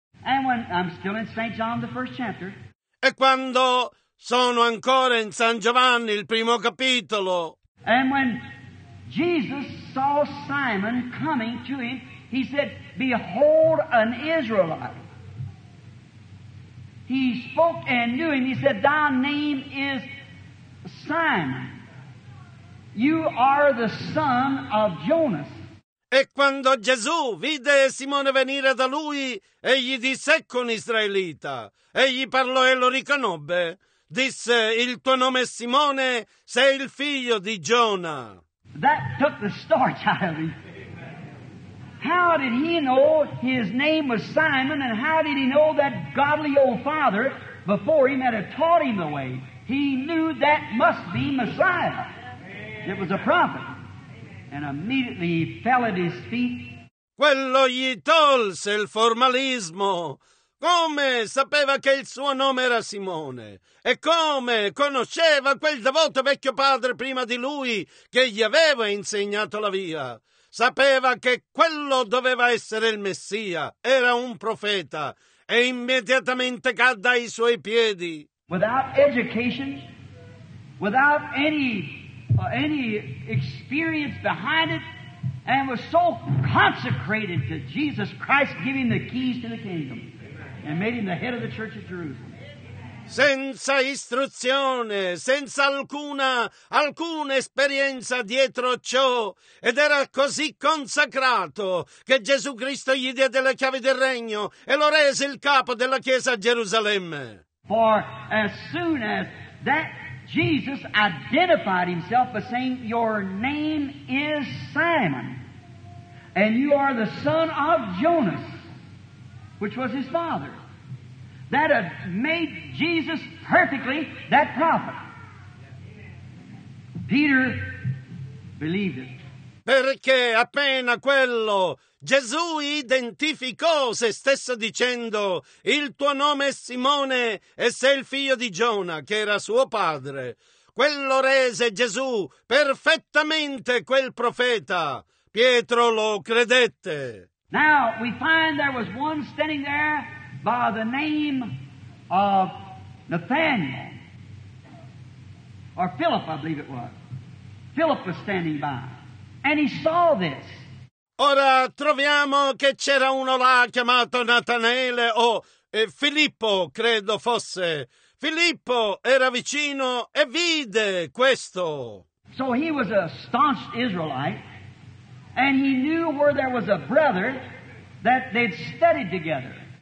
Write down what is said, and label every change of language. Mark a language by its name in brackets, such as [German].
[English] And when I'm still in St. John, the first chapter. [Italian] E quando sono ancora in San Giovanni, il primo capitolo. [English] And when Jesus saw Simon coming to him, he said, behold an Israelite. He spoke and knew him. He said, thy name is Simon. You are the son of Jonas. [Italian] E quando Gesù vide Simone venire da lui, egli disse, ecco un israelita. Egli parlò e lo riconobbe. Disse, il tuo nome è Simone, sei il figlio di Giona. [English] That took the starch out of him. How did he know his name was Simon, and how did he know that godly old father before him had taught him the way? He knew that must be Messiah. It was a prophet. And immediately he fell at his feet. [Italian] Quello gli tolse il formalismo. Come sapeva che il suo nome era Simone? E come conosceva quel devoto vecchio padre prima di lui che gli aveva insegnato la via? Sapeva che quello doveva essere il Messia, era un profeta, e immediatamente cadde ai suoi piedi. [English] Without education, without any experience behind it, and was so consecrated to Jesus Christ giving the keys to the kingdom and made him the head of the church of Jerusalem. [Italian] Senza istruzione, senza alcuna esperienza dietro ciò, ed era così consacrato che Gesù Cristo gli diede le chiavi del regno e lo rese il capo della chiesa a Gerusalemme. [English] For as soon as that Jesus identified himself by saying, your name is Simon, and you are the son of Jonas, which was his father. That had made Jesus perfectly that prophet. Peter believed it. [Italian] Perché appena quello Gesù identificò se stesso dicendo il tuo nome è Simone e sei il figlio di Giona, che era suo padre, quello rese Gesù perfettamente quel profeta. Pietro lo credette. [English] Now we find there was one standing there by the name of Nathanael, or Philip, I believe it was. Philip was standing by, and he saw this. [Italian] Ora troviamo che c'era uno là chiamato Natanele, o Filippo, credo fosse. Filippo era vicino e vide questo. [English] So he was a staunch Israelite, and he knew where there was a brother that they'd studied together.